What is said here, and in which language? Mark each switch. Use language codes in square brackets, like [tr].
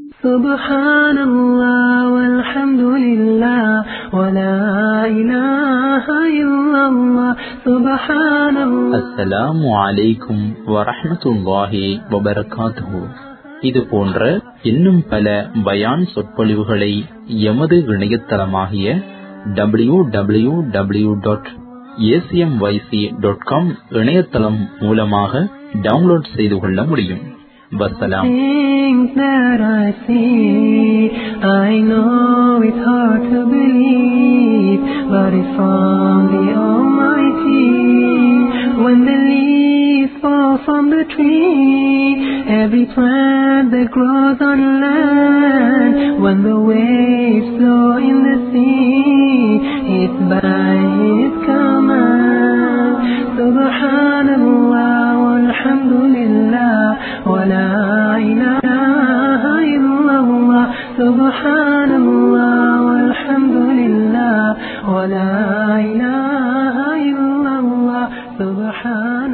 [ar] سبحان الله والحمد لله ولا إله إلا الله سبحان الله. السلام عليكم ورحمة الله وبركاته. [ta] இது போன்ற இன்னும் பல பயான் சொற்பொழிவுகளை எமது இணையதளமாகிய www.acmyc.com இணையதளம் மூலமாக டவுன்லோட் செய்து கொள்ள முடியும். [ar] Wassalam. [en] Things that I see, I know it's hard to believe, but it's from the Almighty. When the leaves fall from the tree, every plant that grows on land, when the waves flow in the sea, it's by His command. [ar] Subhanallah, walhamdulillah, ولا إله إلا الله سبحان الله والحمد لله ولا إله إلا الله سبحان